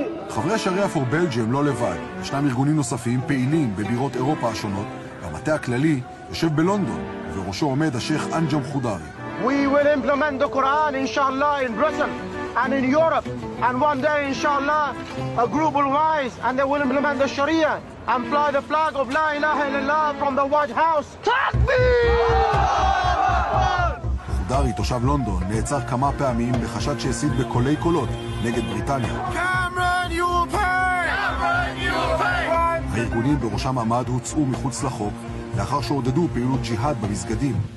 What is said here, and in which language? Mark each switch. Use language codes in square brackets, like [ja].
[he] חברי השריעה פור בלג'ים לא לבד. ישנם ארגונים נוספים פעילים בבירות אירופה השונות. והמטה הכללי יושב בלונדון, ובראשו עומד השייח אנג'ם חודרי. [en] We will implement the Quran, inshallah, in Britain and in Europe. And one day, inshallah, a group will rise and they will implement the Sharia and fly the flag of [ar] La ilaha illallah [en] from the White House. Takbir! [he] חודרי, תושב לונדון, נעצר כמה פעמים בחשד שהסית בקולי קולות נגד בריטניה. [en] Cameron, you will pay! Cameron, you will pay! [he] הארגונים בראשם עמד הוצאו מחוץ לחוק לאחר שעודדו פעילות ג'יהאד במסגדים.